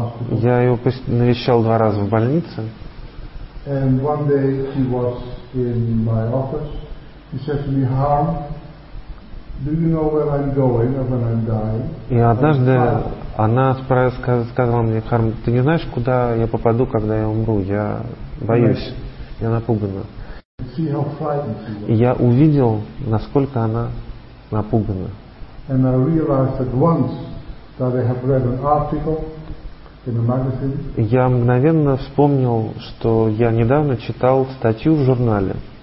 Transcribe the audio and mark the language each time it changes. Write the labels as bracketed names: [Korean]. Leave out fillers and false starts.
[Russian] Я ее навещал 2 раза в больнице. [English] And one day he was in my office. He said to me, "Harm, do you know where I'm going or when I'm dying?" [Russian] И однажды она сказала мне: "Харм, ты не знаешь, куда я попаду, когда я умру? Я боюсь, я напугана." И я увидел, насколько она напугана. [English] And I realized at once that I have read an article in a magazine. [Russian] Я мгновенно вспомнил, что я недавно читал статью в журнале.